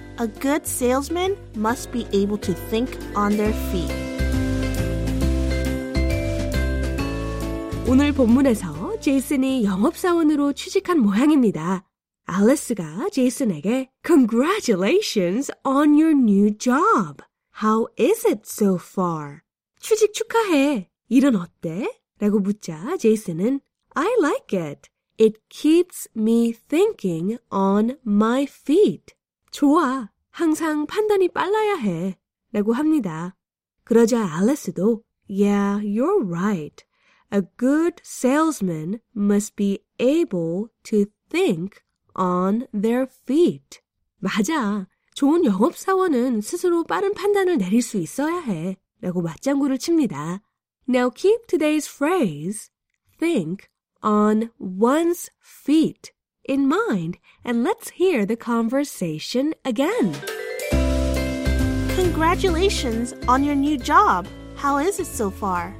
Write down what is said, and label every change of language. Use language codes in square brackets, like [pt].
[en] A good salesman must be able to think on their feet. [ko] 오늘 본문에서 제이슨이 영업사원으로 취직한 모양입니다. 알리스가 제이슨에게 [en] Congratulations on your new job. How is it so far? [ko] 취직 축하해. 일은 어때? 라고 묻자 제이슨은 [en] I like it. It keeps me thinking on my feet. [ko] 좋아. 항상 판단이 빨라야 해. 라고 합니다. 그러자 알리스도 [en] Yeah, you're right. A good salesman must be able to think on their feet. [ko] 맞아. 좋은 영업사원은 스스로 빠른 판단을 내릴 수 있어야 해 라고 맞장구를 칩니다. [en] Now keep today's phrase, think on one's feet in mind and let's hear the conversation again. Congratulations on your new job. How is it so far?